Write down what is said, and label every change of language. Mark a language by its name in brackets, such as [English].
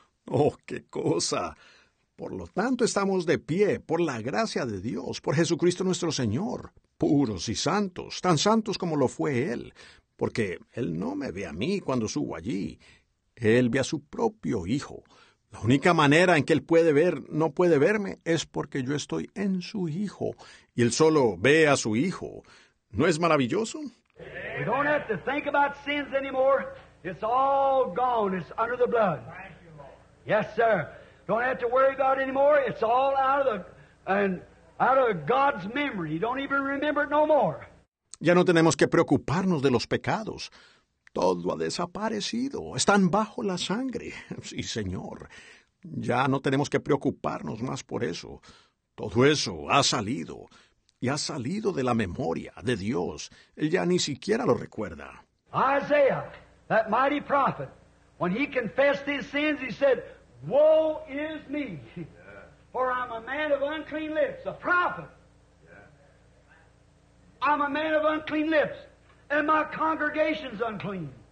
[Spanish] Oh, qué cosa. Por lo tanto, estamos de pie por la gracia de Dios, por Jesucristo nuestro Señor, puros y santos, tan santos como lo fue Él. Porque Él no me ve a mí cuando subo allí. Él ve a su propio Hijo. La única manera en que Él puede ver, no puede verme, es porque yo estoy en su Hijo. Y Él solo ve a su Hijo. ¿No es maravilloso? [English] We don't have to think about sins anymore. It's all gone. It's under the blood. Yes, sir. Don't have to worry about it anymore. It's all out of God's memory. You don't even remember it no more. [Spanish] Ya no tenemos que preocuparnos de los pecados. Todo ha desaparecido. Están bajo la sangre. Sí, Señor. Ya no tenemos que preocuparnos más por eso. Todo eso ha salido. Y ha salido de la memoria de Dios. Él ya ni siquiera lo recuerda. [English] Isaiah, that mighty prophet, when he confessed his sins, he said, Woe is me, for I'm a man of unclean lips, a prophet. I'm a man of unclean lips, and my congregation's unclean.